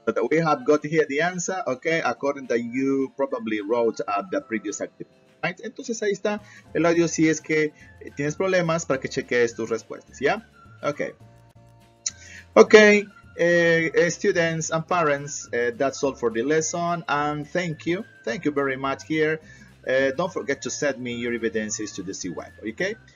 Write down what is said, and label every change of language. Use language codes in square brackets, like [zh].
[en] We have got here the answer, okay, according to you probably wrote at the previous activity. Right? [es] Entonces ahí está el audio si es que tienes problemas para que chequees tus respuestas, ¿ya? [en] Okay. Okay. Students and parents, that's all for the lesson, and thank you very much here. Don't forget to send me your evidences to the C-Web, okay?